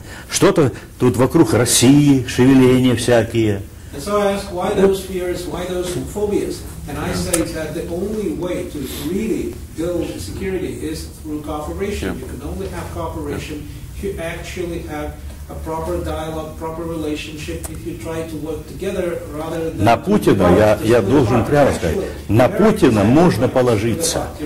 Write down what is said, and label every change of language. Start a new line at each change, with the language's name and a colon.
Russian: Что-то тут вокруг России, шевеления всякие.
English: And so I ask, why those fears, why those phobias? And I say that the only way to really build security is through cooperation. Yeah. You can only have cooperation if you actually have a proper dialogue, proper relationship, if you try to work together rather than...
Russian: На Путина, я должен прямо сказать, на Путина можно положиться.